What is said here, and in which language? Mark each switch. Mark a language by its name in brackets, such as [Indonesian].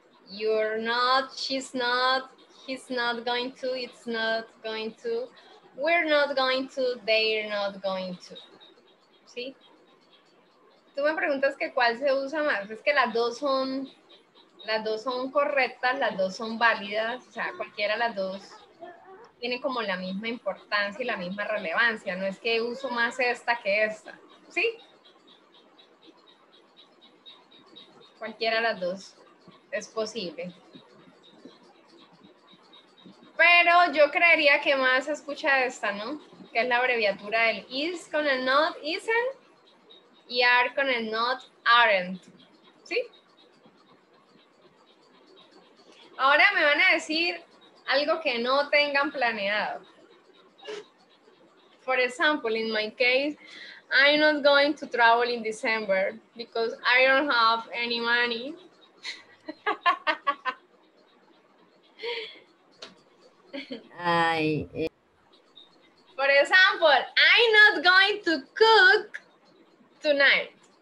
[English] You're not, she's not, he's not going to, it's not going to, we're not going to, they're not going to. [Spanish] ¿Sí? Tú me preguntas que cuál se usa más. Es que las dos son correctas, las dos son válidas, o sea, cualquiera de las dos tiene como la misma importancia y la misma relevancia. No es que uso más esta que esta. ¿Sí? Cualquiera de las dos es posible. Pero yo creería que más escucha esta, ¿no? Que es la abreviatura del is con el not isn't y are con el not aren't. ¿Sí? Ahora me van a decir algo que no tengan planeado. [English] For example, in my case, I'm not going to travel in December because I don't have any money. For example, I'm not going to cook tonight.